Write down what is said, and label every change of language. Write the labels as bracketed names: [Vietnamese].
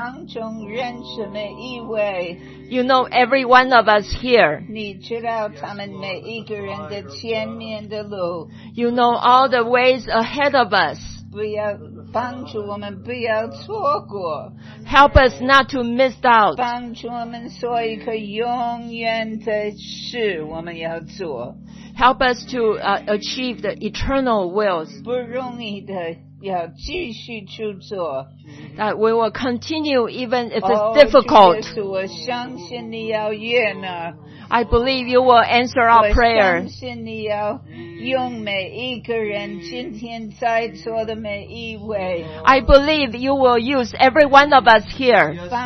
[Chinese] 你在我们当中认识每一位。 [English] You know every one of us here. [Chinese] 你知道他们每一个人的前面的路。 [English] You know all the ways ahead of us. [Chinese] 帮助我们不要错过。 [English] Help us not to miss out. [Chinese] 帮助我们做一个永远的事我们要做。 [English] Help us to achieve the eternal wills. [Chinese] 不容易的要继续去做。 [English] That we will continue even if it's difficult. [Chinese] 主耶稣，我相信你要悦纳。 [English] I believe you will answer our prayer. [Chinese] 我相信你要 用每一个人今天在座的每一位。 [English] I believe you will use every one of us here.